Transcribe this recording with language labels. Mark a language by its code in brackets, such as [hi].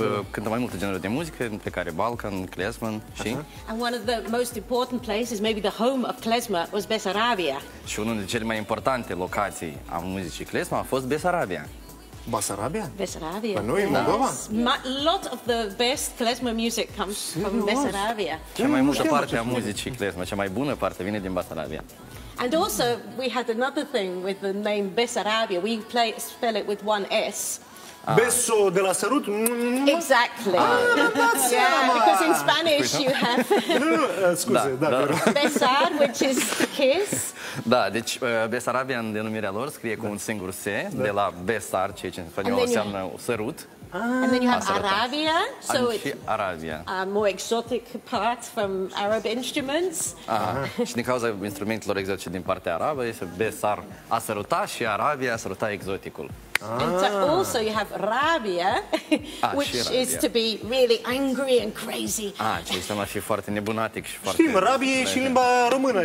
[ro] Cântă mai multe genuri de muzică, pe care Balkan, klezmer și... [en] And one of the most important places, maybe the home of klezmer, was Besarabia. [ro] Și unul dintre cele mai importante locații a muzicii klezmer a fost Besarabia. Basarabia? Besarabia. Păi noi, Moldova? [en] Lot of the best klezmer music comes from Besarabia. [ro] Cea mai multă parte a muzicii klezmer, cea mai bună parte vine din Besarabia. [en] And also, we had another thing with the name Besarabia. We play, spell it with one S. [ro] Beso de la sărut? [en] Exactly. Because in Spanish you have... Besar, which is kiss. [ro] Da, deci Besarabia în denumirea lor scrie cu un singur S, de la Besar, ceea ce în spaniol înseamnă sărut. [en] And then you have Arabia, so it's Arabia. A more exotic part from Arab instruments. [ro] Și din cauza instrumentelor exotice din partea arabă, este Besar a săruta și Arabia a săruta exoticul. [en] And also you have Rabia, which is to be really angry and crazy. [ro] Ce înseamnă și foarte nebunatic și foarte... Știm, Rabia e și limba română.